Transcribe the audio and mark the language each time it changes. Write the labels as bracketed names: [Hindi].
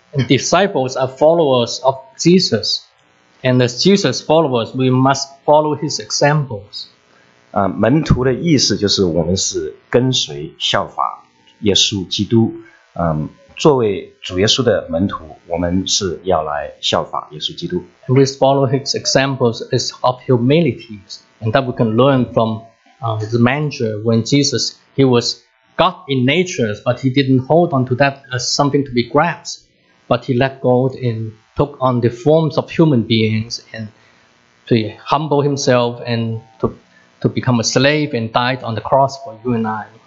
[English] And disciples are followers of Jesus, and as Jesus followers, we must follow his examples. [Chinese] 门徒的意思就是我们是跟随效法耶稣基督。作为主耶稣的门徒，我们是要来效法耶稣基督。 [English] We follow his examples as of humility, and that we can learn from the manger when Jesus, he was God in nature, but he didn't hold on to that as something to be grasped, but he let go and took on the forms of human beings and to humble himself and to become a slave and died on the cross for you and I.